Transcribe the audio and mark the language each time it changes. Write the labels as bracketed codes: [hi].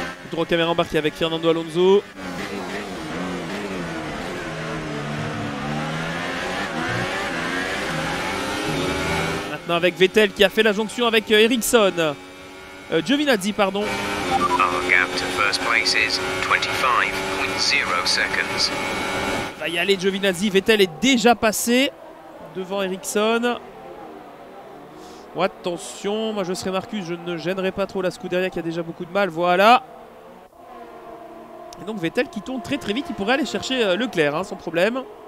[fr] Droit caméra embarqué avec Fernando Alonso. Maintenant avec Vettel qui a fait la jonction avec Ericsson. Giovinazzi, pardon. [en] Our gap to first place is 25.0 seconds. [fr] Va y aller Giovinazzi. Vettel est déjà passé devant Ericsson. Oh, attention, moi je serai Marcus, je ne gênerai pas trop la Scuderia qui a déjà beaucoup de mal. Voilà. Et donc Vettel qui tourne très très vite, il pourrait aller chercher Leclerc, sans problème.